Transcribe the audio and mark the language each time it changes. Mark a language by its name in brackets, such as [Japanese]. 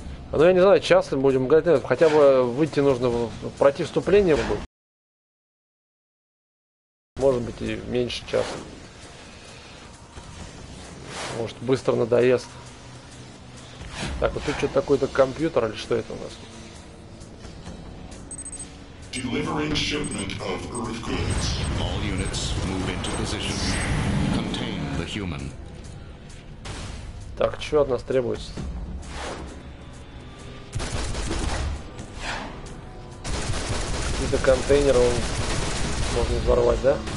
[Russian] Ну я не знаю, часто будем играть. Нет, хотя бы выйти нужно, пройти вступление. Может быть и меньше часа. Может, быстро надоест. Так, вот тут что-то такое-то компьютер, или что это у нас? [English] Delivering shipment of Earth goods. All units move into position. Contain the human. [Russian] Так, что от нас требуется? Какие-то контейнеры он... можно взорвать, да?